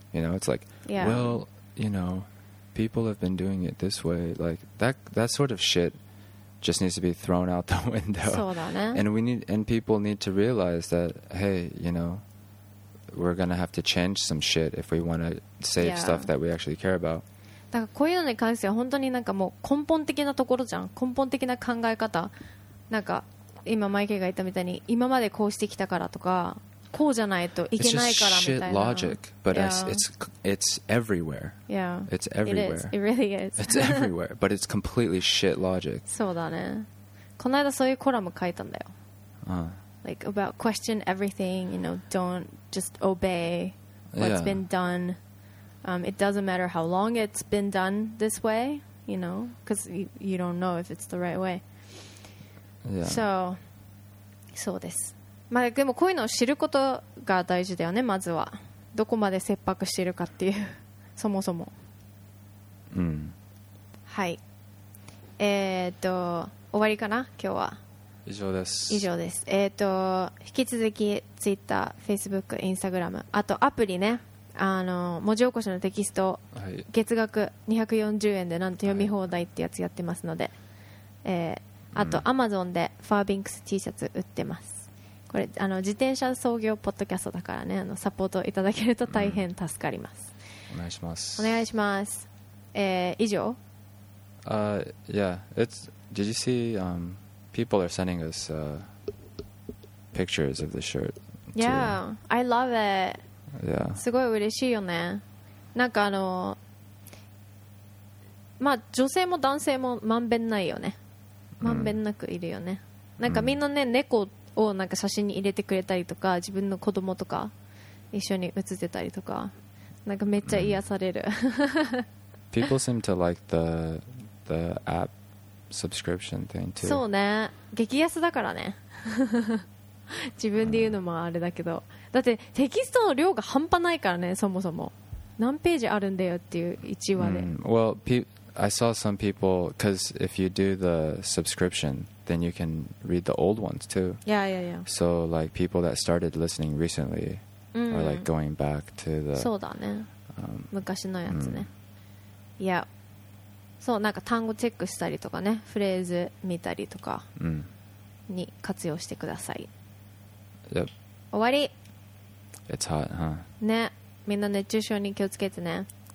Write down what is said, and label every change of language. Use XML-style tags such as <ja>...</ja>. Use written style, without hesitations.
<en>You know, it's like, well, you know, people have been doing it this way. Like, that sort of shit just needs to be thrown out the window.</en> <ja>そうだね。</ja> <en>And people need to realize that, hey, you know, we're going to have to change some shit if we want to save stuff that we actually care about.</en> <ja>だからこういうのに関しては本当になんかもう根本的なところじゃん。根本的な考え方。なんか今マイケルが言ったみたいに、今までこうしてきたからとか、こうじゃないといけないからみたいな。</ja> <en>It's just shit logic, but it's everywhere. Yeah. It's everywhere. It really is. It's everywhere, but it's completely shit logic.</en> <ja>そうだね。この間そういうコラム書いたんだよ。</ja> <en>Like about question everything, you know, don't just obey what's been done. It doesn't matter how long it's been done this way, you know, because you don't know if it's the right way. Yeah. So,</en> <ja>そうです。まあ、でもこういうのを知ることが大事だよね。まずはどこまで切迫しているかっていうそもそも、うん、はい、終わりかな今日は。以上です。以上です。引き続きツイッター、フェイスブック、インスタグラム、あとアプリね、あの文字起こしのテキスト、はい、月額240円でなんと読み放題ってやつやってますので、はい、あとアマゾンでファービンクス T シャツ売ってます。これあの自転車操業ポッドキャストだからね、あのサポートいただけると大変助かります、うん、お願いします。お願いします。以上。</ja> <en>Yeah, it's, did you see, people are sending us, pictures of the shirt? Yeah, I love it. Yeah.</en> <ja>すごい嬉しいよね。なんかあのまあ女性も男性もまんべんないよね。まんべんなくいるよね、うん、なんかみんなね、うん、猫をなんか写真に入れてくれたりとか、自分の子供とか一緒に写ってたりとか、なんかめっちゃ癒される、 mm.</ja> <en>People seem to like the app subscription thing too.</en> <ja>そうね、激安だからね自分で言うのもあれだけど、だってテキストの量が半端ないからね。そもそも何ページあるんだよっていう1話で、 mm.</ja> <en>Well, I saw some people, because if you do the subscriptionthen you can read the old ones too. Yeah, yeah, yeah. So like people that started listening recently、mm. are like going back to the...</en> <ja>そうだね。昔のやつね。いや、そう、なんか単語チェックしたりとかね、フレーズ見たりとかに活用してください。</ja> <en>Yep.</en> <ja>終わり。</ja> <en>It's hot, huh?</en> <ja>ね。みんな熱中症に気をつけてね。</ja>